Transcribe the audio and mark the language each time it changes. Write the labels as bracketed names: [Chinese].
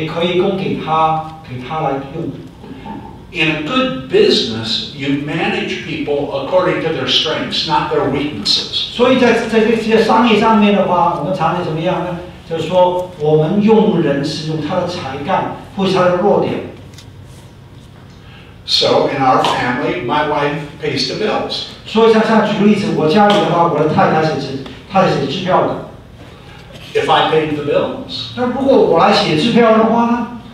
[Chinese] 那这样来讲的话，我的长处也可以供给她，给她来用。 [English] In a good business, you manage people according to their strengths, not their weaknesses. [Chinese] 所以在这些商业上面的话，我们常常怎么样呢？就是说，我们用人是用他的才干，不是他的弱点。So [English] in our family, my wife pays the bills. [Chinese] 所以像举例子，我家里的话，我的太太写支票的。If [English] I paid the bills, [Chinese] 那如果我来写支票的话呢？